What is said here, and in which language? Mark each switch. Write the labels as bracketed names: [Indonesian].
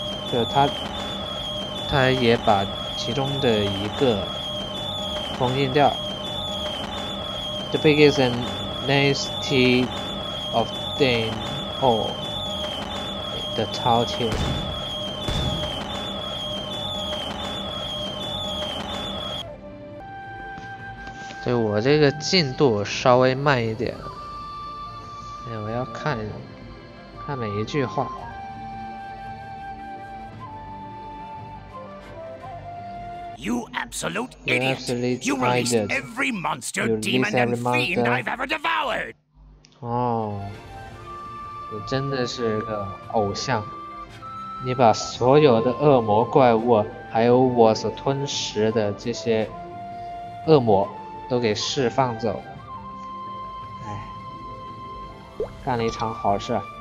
[Chinese] 就他也把其中的一个封印掉。 [English] The biggest and nasty of them all, the Tautier. [Chinese] 对，我这个进度稍微慢一点。哎，我要看每一句话。 [English] You absolute idiot! You released every monster, demon, and fiend I've ever devoured. Oh, [Chinese] 你真的是个偶像，你把所有的恶魔怪物还有我所吞食的这些恶魔都给释放走，哎，干了一场好事。